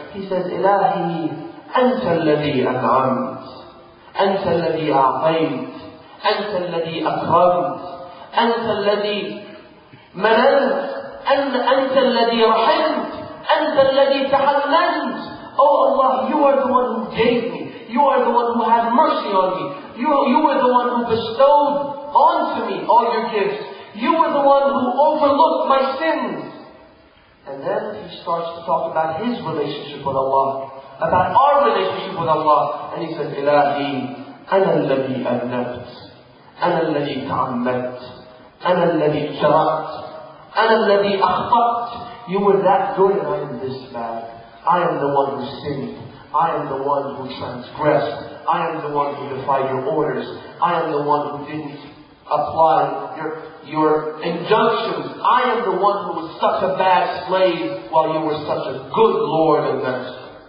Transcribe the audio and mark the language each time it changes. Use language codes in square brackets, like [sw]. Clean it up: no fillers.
[en] He says, [ar] إِلَهِ أنت الذي أنعمت، أنت الذي أعطيت، أنت الذي أكرمت، أنت الذي مننت، أنت الذي رحمت، أنت الذي تحننت. [en] Oh Allah, you are the one who gave me. You are the one who had mercy on me. You are the one who bestowed onto me all your gifts. You are the one who overlooked my sins. And then he starts to talk about his relationship with Allah. About our relationship with Allah. And he says, [ar] إِلَهِ أَنَا الَّذِي أَنَّبْتُ أَنَا الَّذِي تَعَمَّدْتُ أنا الذي اخترقت. أنا الذي أخطأت. [en] You were that good and I am this bad. I am the one who sinned. I am the one who transgressed. I am the one who defied your orders. I am the one who didn't apply your injunctions. I am the one who was such a bad slave while you were such a good Lord and Master.